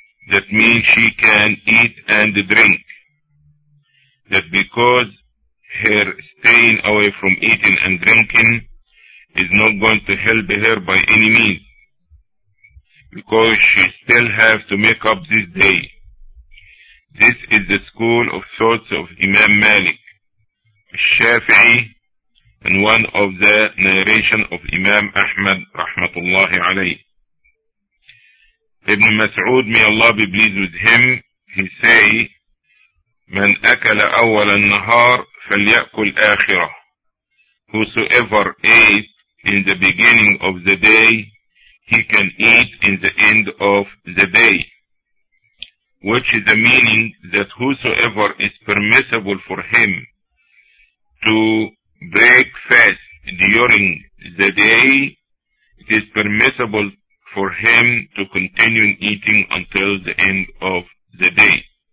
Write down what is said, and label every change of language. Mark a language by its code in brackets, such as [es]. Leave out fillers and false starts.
[en] That means she can eat and drink. That because her staying away from eating and drinking is not going to help her by any means, because she still have to make up this day. This is the school of thoughts of Imam Malik, Shafi'i, and one of the narration of Imam Ahmad, rahmatullahi alayhi. Ibn Mas'ud, may Allah be pleased with him, he say, [ar] من أكل أول النهار فليأكل آخرة. [en] Whosoever ate in the beginning of the day, he can eat in the end of the day. Which is the meaning that whosoever is permissible for him to break fast during the day, it is permissible for him to continue eating until the end of the day.